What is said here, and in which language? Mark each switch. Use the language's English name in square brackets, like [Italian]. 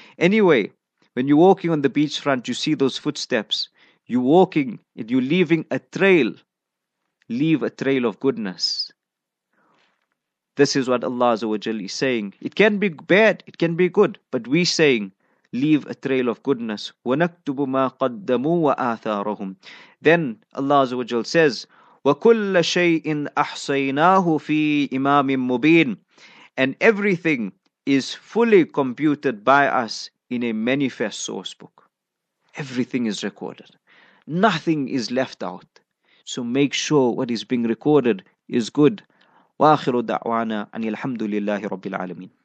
[English] Anyway, when you're walking on the beachfront, you see those footsteps. You're walking, and you're leaving a trail. Leave a trail of goodness. This is what Allah is saying. It can be bad, it can be good, but we're saying, leave a trail of goodness. [Arabic] وَنَكْتُبُ مَا قَدَّمُوا وَآثَارَهُمْ. [English] Then Allah says, [Arabic] وَكُلَّ شَيْءٍ أَحْصَيْنَاهُ فِي إِمَامٍ مُبِينٍ. [English] And everything is fully computed by us in a manifest source book. Everything is recorded. Nothing is left out. So make sure what is being recorded is good. [Arabic] وآخر دعوانا أن الحمد لله رب العالمين.